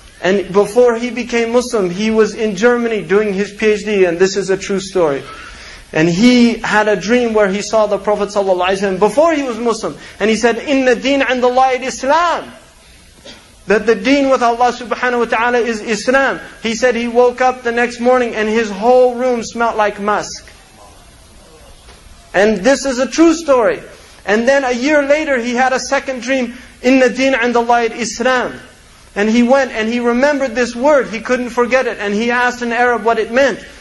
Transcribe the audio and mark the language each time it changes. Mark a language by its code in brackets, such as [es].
[en] And before he became Muslim, he was in Germany doing his PhD. And this is a true story. And he had a dream where he saw the Prophet ﷺ before he was Muslim. And he said, [ar] إِنَّ الدِّينَ عِنْدَ اللَّهِ الْإِسْلَامِ. [en] That the deen with Allah subhanahu wa ta'ala is Islam. He said he woke up the next morning and his whole room smelled like musk. And this is a true story. And then a year later he had a second dream, [ar] إِنَّ الدِّينَ عِنْدَ اللَّهِ الْإِسْلَامِ. [en] And he went and he remembered this word. He couldn't forget it. And he asked an Arab what it meant.